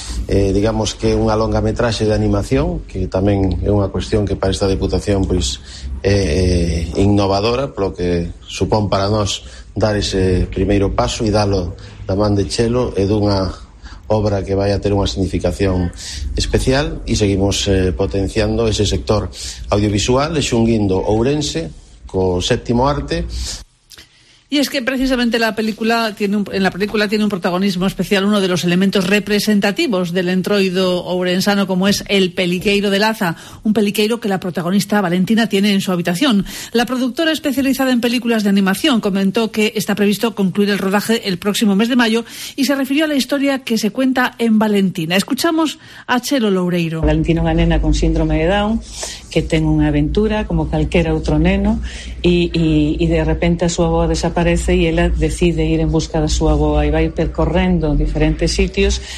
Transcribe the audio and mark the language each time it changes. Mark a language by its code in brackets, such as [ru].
[gl] Digamos que unha longametraxe de animación, que tamén é unha cuestión que para esta Diputación pois, innovadora, polo que supón para nós dar ese primeiro paso e dalo da man de Chelo e dunha obra que vaya a ter unha significación especial e seguimos potenciando ese sector audiovisual xunguindo Ourense co séptimo arte. [es] Y es que precisamente la película tiene un protagonismo especial, uno de los elementos representativos del entroido ourensano, como es el peliqueiro de Laza, un peliqueiro que la protagonista Valentina tiene en su habitación. La productora especializada en películas de animación comentó que está previsto concluir el rodaje el próximo mes de mayo y se refirió a la historia que se cuenta en Valentina. Escuchamos a Chelo Loureiro. [gl] Valentina, una nena con síndrome de Down, que ten unha aventura como calquera outro neno e de repente a súa avoa desaparece e ela decide ir en busca da súa avoa e vai percorrendo diferentes sitios.